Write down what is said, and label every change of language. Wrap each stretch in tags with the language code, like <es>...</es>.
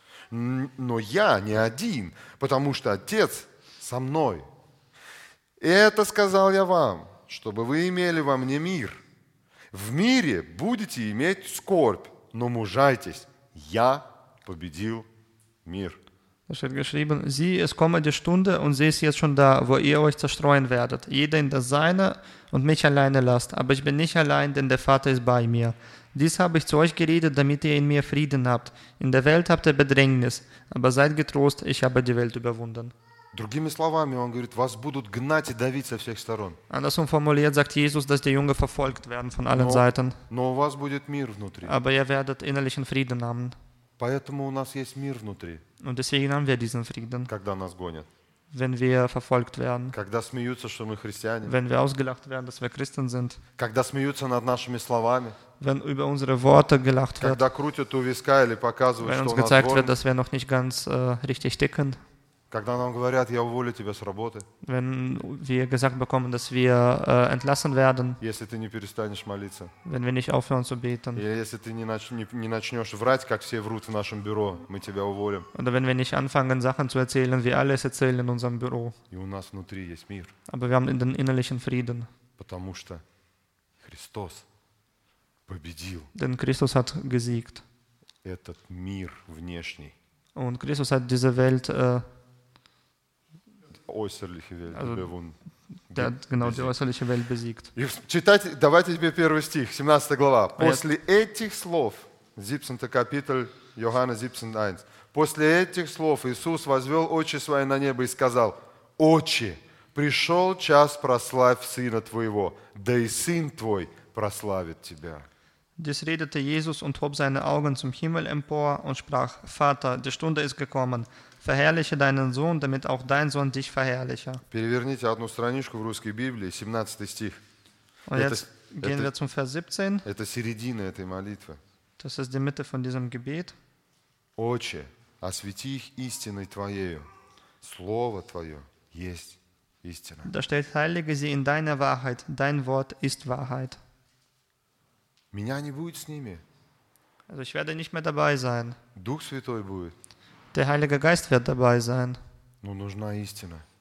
<ru>Но я не один, потому что Отец со мной. И это сказал я вам, чтобы вы имели во мне мир. В мире будете иметь скорбь, но мужайтесь, я победил мир.</ru> <de>Es steht geschrieben, sieh, es komme die Stunde und sie ist jetzt schon da, wo ihr euch zerstreuen werdet. Jeder in das Seine und mich alleine lasst. Aber ich bin nicht allein, denn der Vater ist bei mir. Dies habe ich zu euch geredet, damit ihr in mir Frieden habt. In der Welt habt ihr Bedrängnis, aber seid getrost, ich habe die Welt überwunden.</de> <ru>Другими словами, он говорит, вас будут гнать и давить со всех сторон.</ru> <de>Andersrum formuliert sagt Jesus, dass die Jünger verfolgt werden von allen Seiten.</de> <ru>Но у вас будет мир внутри.</ru> <de>Aber ihr werdet innerlichen Frieden haben.</de> <ru>Поэтому у нас есть мир внутри.</ru> <de>Und deswegen haben wir diesen Frieden.</de> <ru>Когда нас гонят.</ru> <de>Wenn wir verfolgt werden.</de> <ru>Когда смеются, что мы христиане.</ru> <de>Wenn wir ausgelacht werden, dass wir Christen sind.</de> <ru>Когда смеются над нашими словами.</ru> <de>Wenn über unsere Worte gelacht wird.</de> <ru>Когда крутят у виска или показывают, что нас гонят.</ru> <de>Wenn uns gezeigt wird, dass wir noch nicht ganz richtig ticken.</de> <ru>Когда нам говорят, я уволю тебя с работы.</ru> <de>Wenn wir gesagt bekommen, dass wir entlassen werden.</de> <ru>Если ты не перестанешь молиться.</ru> <de>Wenn wir nicht aufhören zu beten.</de> <ru>Или если ты не начнешь врать, как все врут в нашем бюро, мы тебя уволим.</ru> <de>Oder wenn wir nicht anfangen, Sachen zu erzählen, wie alle es erzählen in unserem Büro.</de> <ru>И у нас внутри есть мир.</ru> <de>Aber wir haben den innerlichen Frieden.</de> <ru>Потому что Христос победил.</ru> <de>Denn Christus hat gesiegt.</de> <ru>Этот мир внешний.</ru> <de>Und Christus hat diese Welt äußerliche Welt also, überwunden. Der hat genau besiegt. Die äußerliche Welt besiegt.</de> <ru>Читайте, давайте тебе первый стих, 17 глава. После этих слов,</ru> <de>17 Kapitel, Johannes 17:1.</de> <ru>После этих слов Иисус возвел очи свои на небо и сказал: Отче, пришел час, прославь Сына Твоего, да и Сын Твой прославит Тебя.</ru> <de>Dies redete Jesus und hob seine Augen zum Himmel empor und sprach: Vater, die Stunde ist gekommen. Verherrliche deinen Sohn, damit auch dein Sohn dich verherrliche.</de> <ru>Переверните одну страничку в русской Библии, 17 стих.</ru> <de>Und это, jetzt gehen это, wir zum Vers 17.</de> <ru>Это середина этой молитвы.</ru> <de>Das ist die Mitte von diesem Gebet.</de> <ru>Отче, освети их истиной Твоею. Слово Твое есть истина.</ru> <de>Da steht, heilige sie in deiner Wahrheit. Dein Wort ist Wahrheit.</de> <ru>Меня не будет с ними.</ru> <de>Also ich werde nicht mehr dabei sein.</de> <ru>Дух Святой будет.</ru> <de>Der Heilige Geist wird dabei sein.</de> <ru>Но нужна истина.</ru>